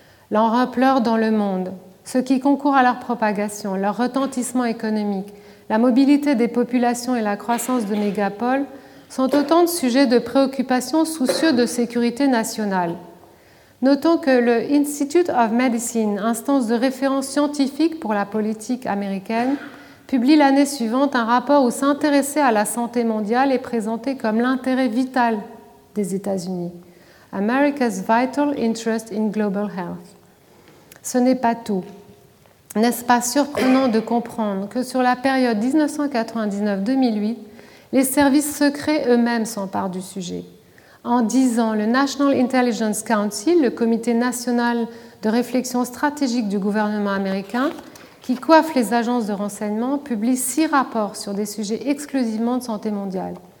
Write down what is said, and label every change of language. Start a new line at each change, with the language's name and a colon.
French: Leur ampleur dans le monde, ce qui concourt à leur propagation, leur retentissement économique, la mobilité des populations et la croissance de mégapoles sont autant de sujets de préoccupation soucieux de sécurité nationale. Notons que le Institute of Medicine, instance de référence scientifique pour la politique américaine, publie l'année suivante un rapport où s'intéresser à la santé mondiale est présenté comme l'intérêt vital des États-Unis.
English: America's vital interest in global health.
French: Ce n'est pas tout. N'est-ce pas surprenant de comprendre que sur la période 1999-2008, les services secrets eux-mêmes s'emparent du sujet. En 10 ans, le National Intelligence Council, le comité national de réflexion stratégique du gouvernement américain, qui coiffe les agences de renseignement, publie 6 rapports sur des sujets exclusivement de santé mondiale.